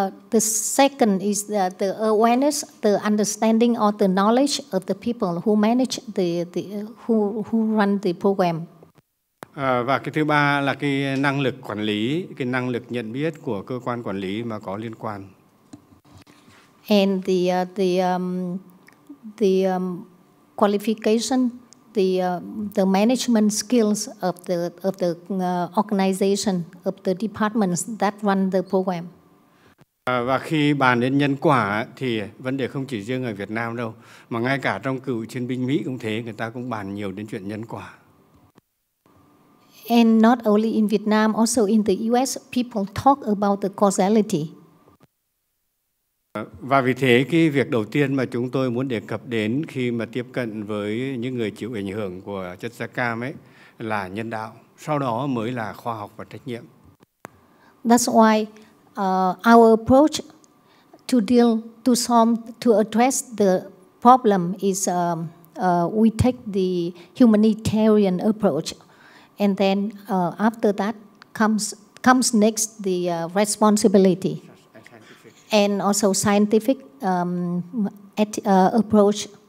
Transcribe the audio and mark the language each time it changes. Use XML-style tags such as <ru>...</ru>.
<en>The second is that the awareness, the understanding, or the knowledge of the people who manage who run the program.</en> <vi>Và cái thứ ba là cái năng lực quản lý, cái năng lực nhận biết của cơ quan quản lý mà có liên quan.</vi> <en>And the qualification, the management skills of the organization, of the departments that run the program.</en> <vi>Và khi bàn đến nhân quả thì vấn đề không chỉ riêng ở Việt Nam đâu, mà ngay cả trong cựu chiến binh Mỹ cũng thế, người ta cũng bàn nhiều đến chuyện nhân quả.</vi> <en>And not only in Vietnam, also in the US, people talk about the causality.</en> <vi>Và vì thế, cái việc đầu tiên mà chúng tôi muốn đề cập đến khi mà tiếp cận với những người chịu ảnh hưởng của chất da cam ấy là nhân đạo. Sau đó mới là khoa học và trách nhiệm.</vi> <en>That's why our approach to deal, to solve, to address the problem is we take the humanitarian approach. And then after that comes next the responsibility and also scientific approach.</en>